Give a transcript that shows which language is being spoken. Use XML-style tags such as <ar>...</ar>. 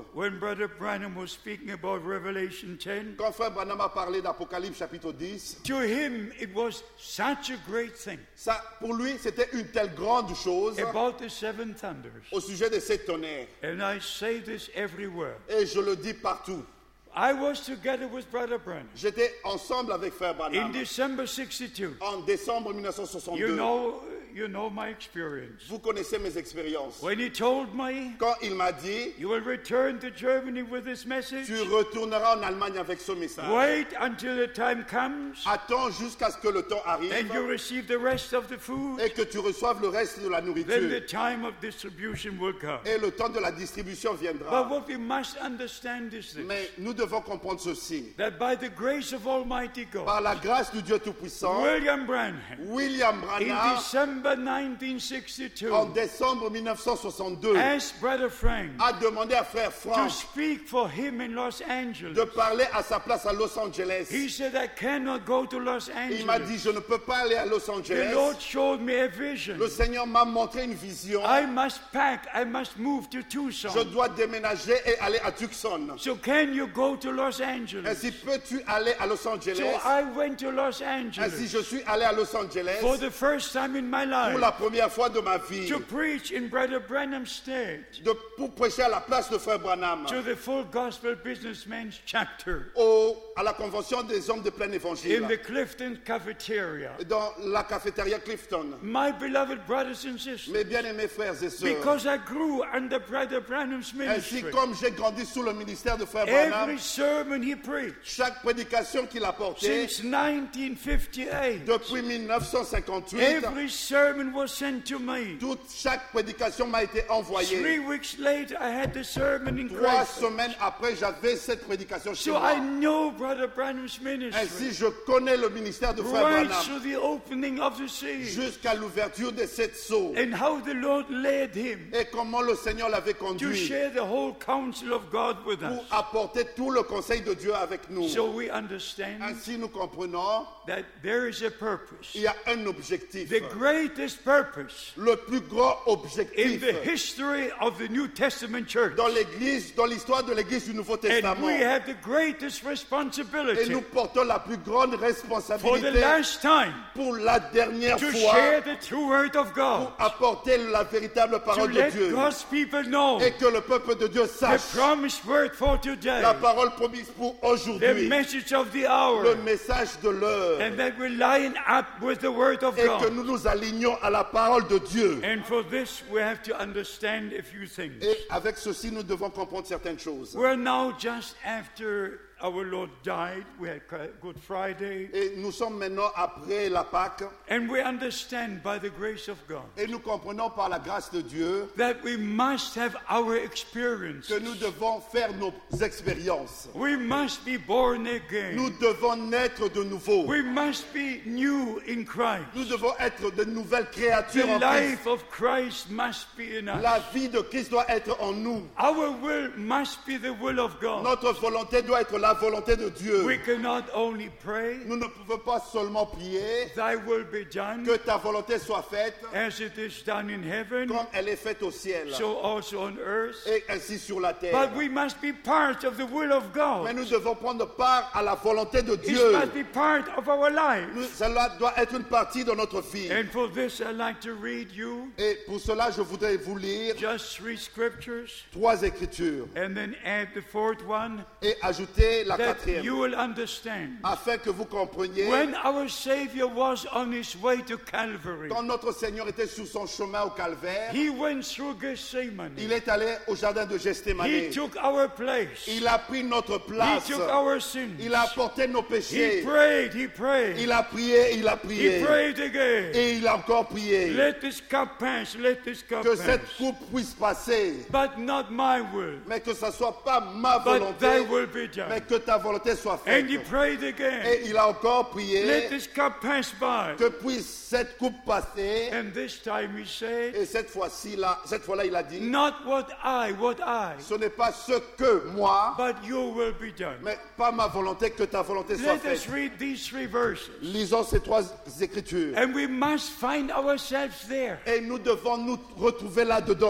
<en>When Brother Branham was speaking about Revelation 10.</en> <fr>Quand Frère Branham a parlé d'Apocalypse chapitre 10.</fr> <en>To him, it was such a great thing.</en> <fr>Ça, pour lui, c'était une telle grande chose.</fr> <en>About the seven thunders.</en> <fr>Au sujet des sept tonnerres.</fr> <en>And I say this everywhere.</en> <fr>Et je le dis partout.</fr> <en>I was together with Brother Branham.</en> <fr>J'étais ensemble avec Frère Branham.</fr> <en>In December 62.</en> <fr>En décembre 1962.</fr> <en>You know my experience.</en> <fr>Vous connaissez mes expériences.</fr> <en>When he told me.</en> <fr>Quand il m'a dit.</fr> <en>You will return to Germany with this message.</en> <fr>Tu retourneras en Allemagne avec ce message.</fr> <en>Wait until the time comes.</en> <fr>Attends jusqu'à ce que le temps arrive.</fr> <en>And you receive the rest of the food.</en> <fr>Et que tu reçoives le reste de la nourriture.</fr> <en>Then the time of distribution will come.</en> <fr>Et le temps de la distribution viendra.</fr> <en>But what we must understand is this.</en> <fr>Mais nous devons comprendre ceci.</fr> <en>That by the grace of Almighty God.</en> <fr>Par la grâce du Dieu Tout-Puissant.</fr> <en>William Branham. In December 1962,</en> <fr>en décembre 1962,</fr> <en>asked Brother Frank,</en> <fr>a demandé à Frère Frank</fr> <en>to speak for him in Los Angeles.</en> <fr>De parler à sa place à Los Angeles.</fr> <en>He said, "I cannot go to Los Angeles."</en> <fr>Il m'a dit, je ne peux pas aller à Los Angeles.</fr> <en>The Lord showed me a vision.</en> <fr>Le Seigneur m'a montré une vision.</fr> <en>I must pack. I must move to Tucson.</en> <fr>Je dois déménager et aller à Tucson.</fr> <en>So can you go to Los Angeles?</en> <fr>Ainsi peux-tu aller à Los Angeles?</fr> <en>So I went to Los Angeles.</en> <fr>Ainsi je suis allé à Los Angeles.</fr> <en>For the first time in my</en> <fr>pour la première fois de ma vie,</fr> <en>to preach in Brother Branham's stead,</en> <fr>de pour prêcher à la place de Frère Branham,</fr> <en>to the full gospel businessmen's chapter,</en> <fr>à la convention des hommes de plein évangile,</fr> <en>in the Clifton cafeteria,</en> <fr>dans la cafétéria Clifton,</fr> <en>my beloved brothers and sisters,</en> <fr>mes bien-aimés frères et sœurs,</fr> <en>because I grew under Brother Branham's ministry,</en> <fr>ainsi comme j'ai grandi sous le ministère de Frère Branham,</fr> <en>every sermon he preached,</en> <fr>chaque prédication qu'il a portée,</fr> <en>since 1958,</en> <fr>depuis 1958,</fr> <en>every sermon was sent to me.</en> <fr>Toute chaque prédication m'a été envoyée.</fr> <en>3 weeks later, I had the sermon in Christ.</en> <fr>Trois semaines après, j'avais cette prédication chez moi.</fr> <en>So I know Brother Branham's ministry.</en> <fr>Ainsi, je connais le ministère de Frère</fr> <en>right</en> <fr>Branham.</fr> <en>Right to the opening of the sea.</en> <fr>Jusqu'à l'ouverture des sept seaux.</fr> <en>And how the Lord led him.</en> <fr>Et comment le Seigneur l'avait conduit.</fr> <en>To share the whole counsel of God with us.</en> <fr>Pour apporter tout le conseil de Dieu avec nous.</fr> <en>So we understand.</en> <fr>Ainsi, nous comprenons.</fr> <en>That there is a purpose.</en> <fr>Il y a un objectif.</fr> <en>The greatest purpose.</en> <fr>Le plus grand objectif.</fr> <en>In the history of the New Testament church.</en> <fr>Dans l'église, dans l'histoire de l'église du Nouveau Testament.</fr> <en>And we have the greatest responsibility.</en> <fr>Et nous portons la plus grande responsabilité.</fr> <en>For the last time.</en> <fr>Pour la dernière</fr> <en>to</en> <fr>fois.</fr> <en>To share the true word of God.</en> <fr>Pour apporter la véritable parole de Dieu.</fr> <en>To let God's people know.</en> <fr>Et que le peuple de Dieu sache.</fr> <en>The promised word for today.</en> <fr>La parole promise pour aujourd'hui.</fr> <en>The message of the hour.</en> <fr>Le message de l'heure.</fr> <en>And that we line up with the word of God.</en> <fr>Et que nous nous alignons communion à la parole de Dieu.</fr> <en>And for this, we have to understand a few things.</en> <fr>Et avec ceci, nous devons comprendre certaines choses.</fr> <en>We're now just after our Lord died. We had Good Friday.</en> <fr>Et nous sommes maintenant après la Pâque.</fr> <en>And we understand by the grace of God.</en> <fr>Et nous comprenons par la grâce de Dieu.</fr> <en>That we must have our experience.</en> <fr>Que nous devons faire nos expériences.</fr> <en>We must be born again.</en> <fr>Nous devons naître de nouveau.</fr> <en>We must be new in Christ.</en> <fr>Nous devons être de nouvelles créatures.</fr> <en>The life of Christ must be in us.</en> <fr>La vie de Christ doit être en nous.</fr> <en>Our will must be the will of God.</en> <fr>Notre volonté doit être la volonté de Dieu.</fr> <en>We cannot only pray,</en> <fr>nous ne pouvons pas seulement prier.</fr> <en>Thy will be done,</en> <fr>que ta volonté soit faite,</fr> <en>as it is done in heaven,</en> <fr>comme elle est faite au ciel,</fr> <en>so also on earth,</en> <fr>et ainsi sur la terre.</fr> <en>But we must be part of the will of God.</en> <fr>Mais nous devons prendre part à la volonté de Dieu.</fr> <en>It must be part of our life.</en> <fr>Cela doit être une partie de notre vie.</fr> <en>And for this, I'd like to read you,</en> <fr>et pour cela, je voudrais vous lire</fr> <en>just three scriptures,</en> <fr>trois écritures,</fr> <en>and then add the fourth one,</en> <fr>et ajouter la</fr> <en>that</en> <fr>quatrième,</fr> <en>you will understand.</en> <fr>Afin que vous compreniez,</fr> <en>when our Savior was on his way to Calvary,</en> <fr>quand notre Seigneur était sur son chemin au calvaire,</fr> <en>he went through Gethsemane.</en> <fr>Il est allé au jardin de Gethsemane.</fr> <en>He took our place.</en> <fr>Il a pris notre place.</fr> <en>He took our sins.</en> <fr>Il a porté nos péchés.</fr> <en>He prayed, he prayed.</en> <fr>Il a prié, il a prié.</fr> <en>He prayed again.</en> <fr>Et il a encore prié.</fr> <en>Let this cup pass, let this cup pass.</en> <fr>Que cette coupe puisse passer.</fr> <en>But not my will.</en> <fr>Mais que ça soit pas ma</fr> <en>but</en> <fr>volonté.</fr> <en>Thy will be done.</en> <fr>Mais que ta volonté soit faite.</fr> <en>And he prayed again.</en> <fr>Et il a encore prié.</fr> <en>Let this cup pass by.</en> <fr>Que puisse cette coupe passer.</fr> <en>And this time he said,</en> <fr>et cette fois-là, il a dit,</fr> <en>not what I,</en> <fr>ce n'est pas ce que moi,</fr> <en>but your will be done.</en> <fr>Mais pas ma volonté, que ta volonté</fr> <en>let</en> <fr>soit faite.</fr> <en>Let us read these three verses.</en> <fr>Lisons ces trois écritures.</fr> <en>And we must find ourselves there.</en> <fr>Et nous devons nous retrouver là-dedans.</fr>